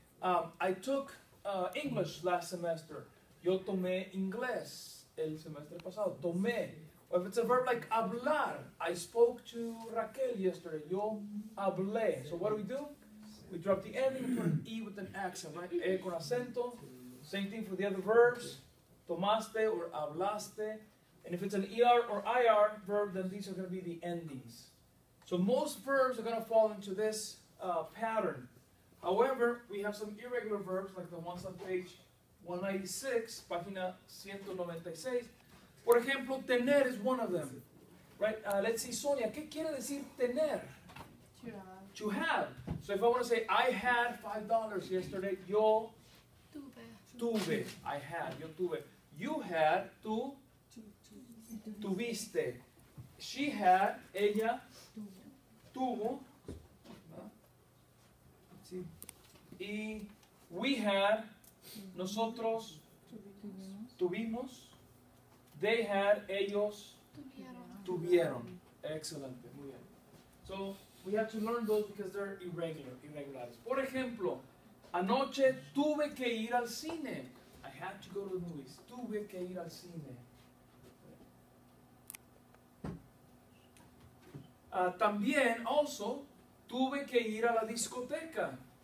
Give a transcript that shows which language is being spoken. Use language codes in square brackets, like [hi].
[en] I took English last semester. [es] Yo tomé inglés el semestre pasado. Tomé. [en] Or if it's a verb like hablar, I spoke to Raquel yesterday. [es] Yo hablé. [en] So what do? We drop the N and put an E with an accent, right? [es] E con acento. [en] Same thing for the other verbs. Tomaste or hablaste. And if it's an ER or IR verb, then these are going to be the endings. So most verbs are going to fall into this pattern. However, we have some irregular verbs, like the ones on page 196, [es] página 196. Por ejemplo, [en] tener is one of them. Right? Let's see, [es] Sonia, ¿qué quiere decir tener? [en] To have. So if I want to say, I had $5 yesterday, yo [es] tuve. [en] I had, [es] yo tuve. [en] You had, [es] tú tuviste. [en] She had, [es] ella tuvo. [en] Let's see. [es] Y [en] we had, [es] nosotros tuvimos. [en] They had, ellos [es] tuvieron. Excelente, muy bien. [en] So we have to learn those because they're irregular, irregulares. [es] Por ejemplo, anoche tuve que ir al cine. [en] I had to go to the movies. [es] Tuve que ir al cine. También, also, tuve que ir a la discoteca.